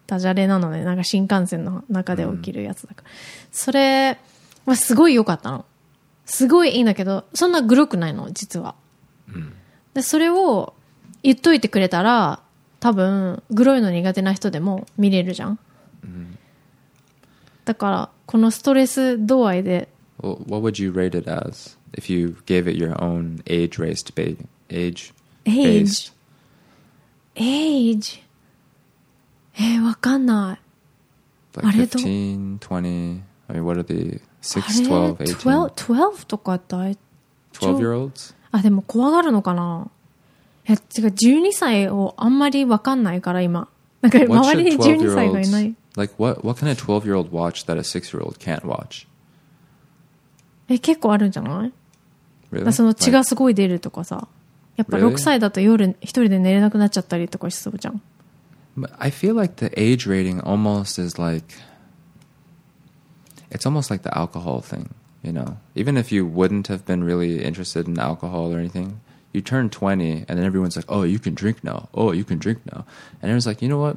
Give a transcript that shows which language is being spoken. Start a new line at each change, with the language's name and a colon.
Japanese: ダジャレなので、ね、なんか新幹線の中で起きるやつだから、うん、それはすごい良かったのすごいいいんだけどそんなグロくないの実は、うん、でそれを言っといてくれたら多分グロいの苦手な人でも見れるじゃん、うん、だからこのストレス度合いで
English: What would you rate it as? if you gave it your own age race to be age based. Age?
Japanese: わかんない。
English: Like 15, 20, I mean, what are the 6, 12, 18?
Japanese: 12 とかだい
English: 12 year olds?
Japanese: あ、でも怖がるのかな。いや、違う、12歳をあんまりわかんないから今。なんか周りに12歳がいない。
English: Like, what can a 12 year old watch that a 6 year old can't watch?
Japanese: え、結構あるんじゃない？
English: Really?
Japanese: その血がすごい出るとかさ。やっぱ6歳だと夜一人で寝れなくなっちゃったりとかしそうじゃん。
English: I feel like the age rating almost is like, it's almost like the alcohol thing, you know. Even if you wouldn't have been really interested in alcohol or anything, you turn 20 and then everyone's like, oh, you can drink now. Oh, you can drink now. And everyone's like, you know what?